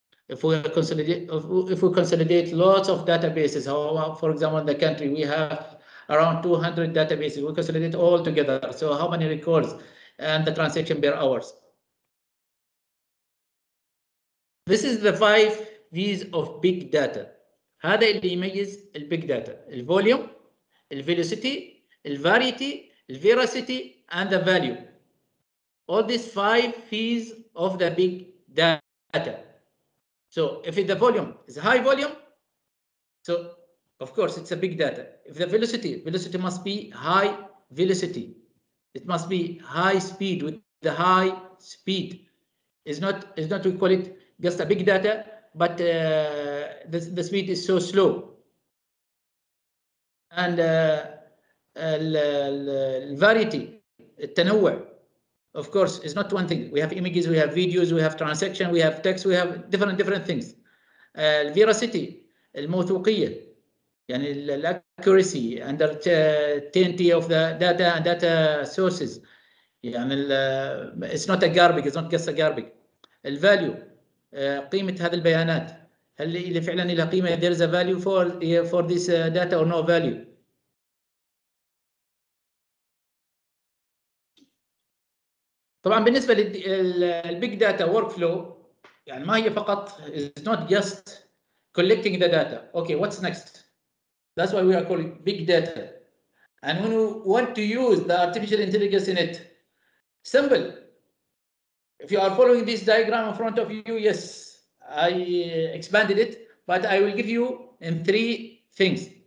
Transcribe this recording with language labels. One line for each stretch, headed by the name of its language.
English: If we consolidate lots of databases, for example, in the country, we have around 200 databases. We consolidate all together. So how many records and the transaction per hours? This is the five V's of big data.
Arabic: هذا اللي يميز البيج داتا. الفوليوم, الفيلوسيتي, الفاريتي, الفيراسيتي,
English: and the value. All these five V's of the big data. So if the volume is high volume, so of course it's a big data. If the velocity must be high velocity. It must be high speed, with the high speed. It's not we call it just a big data, but the speed is so slow. And
Arabic: الفاريتي التنوع.
English: Of course, it's not one thing. We have images, we have videos, we have transaction, we have text, we have different things. Veracity, الموثوقية, يعني accuracy under TNT of the data and data sources. يعني it's not a garbage, it's not just a garbage.
Arabic: Value, قيمة هذه البيانات. هل اللي فعلا لها قيمة,
English: there is a value for this data or no value.
Arabic: طبعا بالنسبه للبيج داتا ورك فلو, يعني ما هي فقط
English: is not just collecting the data. Okay, what's next? That's why we are calling big data. And when you want to use the artificial intelligence in it, simple. If you are following this diagram in front of you, yes, I expanded it, but I will give you in three things.